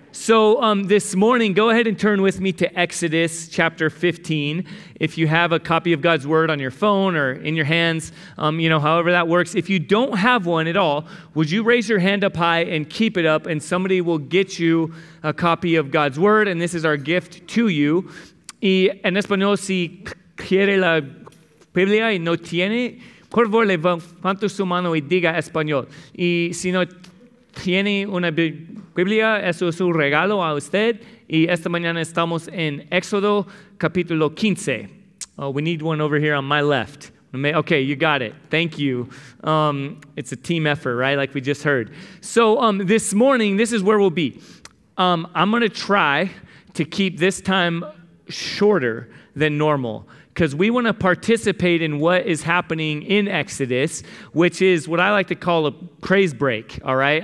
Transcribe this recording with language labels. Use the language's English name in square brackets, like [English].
[English] So this morning, go ahead and turn with me to Exodus chapter 15. If you have a copy of God's Word on your phone or in your hands, you know, however that works. If you don't have one at all, would you raise your hand up high and keep it up, and somebody will get you a copy of God's Word, and this is our gift to you. [Spanish] Y en español, si quiere la Biblia y no tiene, por favor, levante su mano y diga español. Y si no tiene una Biblia, eso es un regalo a usted. Y esta mañana estamos en Éxodo, capítulo 15. [English] Oh, we need one over here on my left. Okay, you got it. Thank you. It's a team effort, right? Like we just heard. So this morning, this is where we'll be. I'm going to try to keep this time shorter than normal, because we want to participate in what is happening in Exodus, which is what I like to call a praise break, all right?